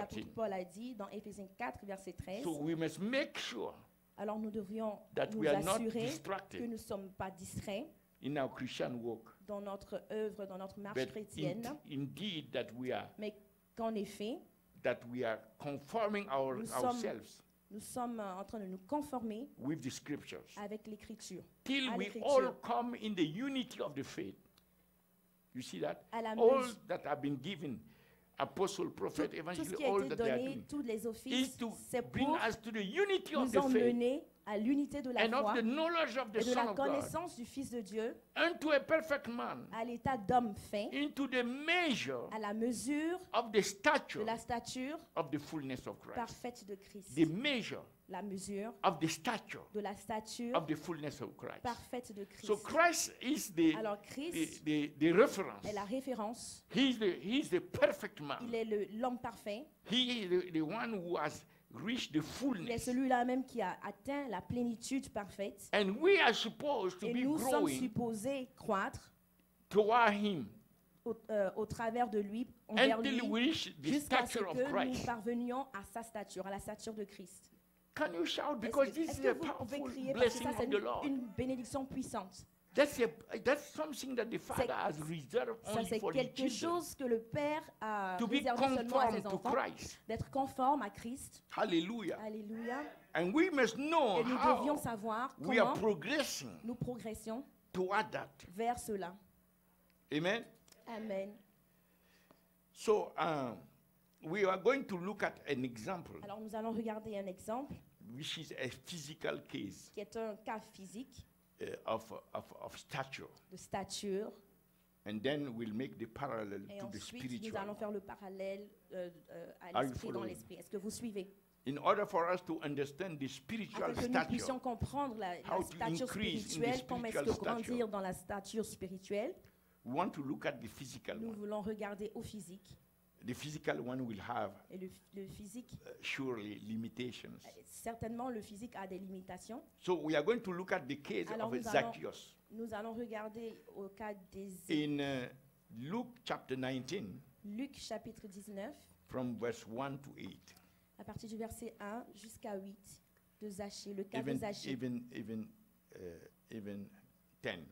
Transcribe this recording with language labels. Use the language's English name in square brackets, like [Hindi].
[French] L'apôtre Paul a dit dans Ephésiens 4, verset 13. [English] So we must make sure [French] alors nous devrions nous assurer que nous ne sommes pas distraits [English] in our Christian walk, [French] dans notre œuvre, dans notre marche chrétienne. [English] Indeed that we are, [French] mais qu'en effet, [English] that we are conforming our, ourselves. [French] Nous sommes en train de nous conformer [English] with the scriptures. [French] Avec l'écriture. [English] Till [French] à [English] we [French] l'écriture. [English] All come in the unity of the faith. You see that? All that have been given, apostle, prophet, evangelist, all that [French] donné, [English] they are doing, [French] toutes les offices, [English] is to [French] c'est [English] bring [French] pour [English] us to the unity [French] nous [English] of the [French] emmener [English] faith [French] à l'unité de la [English] and [French] foi [English] of the knowledge of the [French] et de [English] Son [French] la connaissance [English] God [French] du Fils de Dieu [English] unto a perfect man, [French] à l'état d'homme fin [English] into the measure [French] à la mesure [English] of the stature [French] de la stature [English] of the fullness of Christ, [French] parfaite de Christ. [English] The measure [French] la mesure [English] of the stature, [French] de la stature [English] of the fullness of Christ. [French] Parfaite de Christ. [English] So Christ is the, [French] alors Christ [English] the reference. [French] Est la référence. [English] He is the perfect man. [French] Il est le, l'homme parfait. [English] He is the one who has reached the fullness. [French] Il est celui-là même qui a atteint la plénitude parfaite. [English] And we are supposed to [French] et [English] be [French] nous [English] growing [French] sommes supposés croître [English] toward him. [French] Au travers de lui, envers lui, jusqu'à ce que nous parvenions à sa stature, à la stature de Christ. [English] Can you shout? Because this is a powerful blessing of the Lord. [French] Une bénédiction puissante. [English] That's something that the Father has reserved only for the children. [French] C'est quelque chose que le Père a réservé seulement à ses enfants. D'être conforme à Christ. [English] Hallelujah. [French] Hallelujah. [English] And we must know [French] et nous devions savoir [English] we are progressing [French] nous progressions [English] toward that. [French] Vers cela. [English] Amen. [French] Amen. [English] So we are going to look at an example. [French] Alors nous allons regarder un exemple. [English] Which is a physical case. [French] Qui est un cas physique. [English] Of stature. [French] De stature. [English] And then we'll make the parallel [French] et [English] to [French] ensuite, [English] the spiritual. [French] Et nous allons faire le parallèle à l'esprit dans l'esprit. Est-ce que vous suivez? [English] In order for us to understand the spiritual [French] afin que [English] stature. [French] Nous puissions comprendre la stature spirituelle, comment est-ce que grandir dans la stature spirituelle? [English] We want to look at the physical [French] nous [English] one. [French] Voulons regarder au physique. [English] The physical one will have [French] et le physique [English] surely limitations. [French] Certainement, le physique a des limitations. [English] So we are going to look at the case [French] alors [English] of Zacchaeus. [French] Nous allons regarder au cas des [English] in Luke chapter 19. [French] Luc chapitre 19. [English] From verse 1 to 8. [French] À partir du verset 1 jusqu'à 8 de Zacchée, le cas de Zacchée. [English] Even 10.